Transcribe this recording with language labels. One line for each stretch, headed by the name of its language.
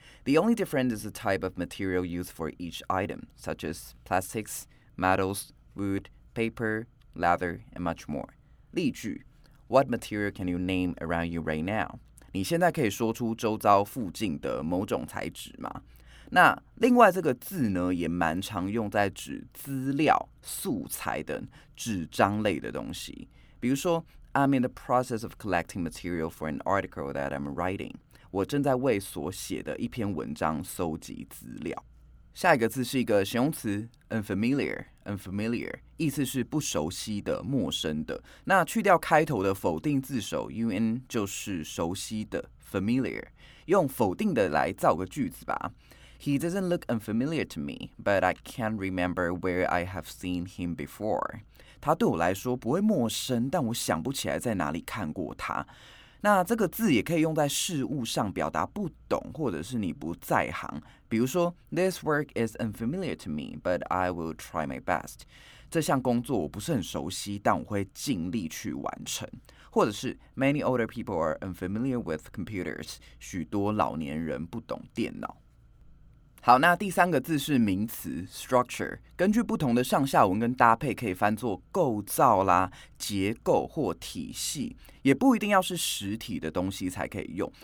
English: The only difference is the type of material used for each item, such as plastics, metals, wood, paper, leather, and much more.
Chinese: 例句：
English: What material can you name around you right now?
Chinese: 你现在可以说出周遭附近的某种材质吗？那另外这个字呢，也蛮常用在指资料、素材等纸张类的东西。比如说
English: ，I'm in the process of collecting material for an article that I'm writing。
Chinese: 我正在为所写的一篇文章搜集资料。下一个字是一个形容词 ，unfamiliar，unfamiliar， 意思是不熟悉的、陌生的。那去掉开头的否定字首 un， 就是熟悉的 familiar。用否定的来造个句子吧。
English: He doesn't look unfamiliar to me, but I can't remember where I have seen him before.
Chinese: 他对我来说不会陌生，但我想不起来在哪里看过他。那这个字也可以用在事物上表达不懂或者是你不在行。比如说
English: ,This work is unfamiliar to me, but I will try my best.
Chinese: 这项工作我不是很熟悉，但我会尽力去完成。或者是
English: ,Many older people are unfamiliar with computers.
Chinese: 许多老年人不懂电脑。好，那第三个字是名词 structure， 根据不同的上下文跟搭配可以翻作构造啦、结构或体系，也不一定要是实体的东西才可以用。